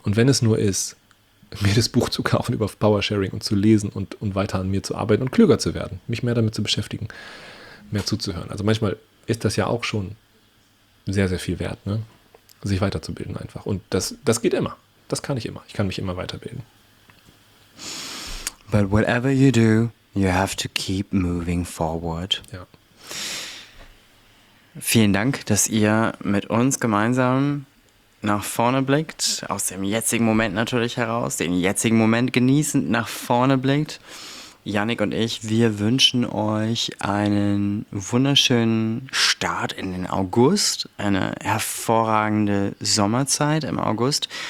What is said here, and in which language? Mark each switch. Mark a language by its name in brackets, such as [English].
[German] Und wenn es nur ist, mir das Buch zu kaufen über Powersharing und zu lesen und weiter an mir zu arbeiten und klüger zu werden, mich mehr damit zu beschäftigen, mehr zuzuhören. Also manchmal ist das ja auch schon sehr, sehr viel wert, ne? Sich weiterzubilden einfach. Und das geht immer. Das kann ich immer. Ich kann mich immer weiterbilden. [English] But whatever you do, you have to keep moving forward. [German] Ja. Vielen Dank, dass ihr mit uns gemeinsam nach vorne blickt, aus dem jetzigen Moment natürlich heraus, den jetzigen Moment genießend nach vorne blickt. Yannick und ich, wir wünschen euch einen wunderschönen Start in den August, eine hervorragende Sommerzeit im August.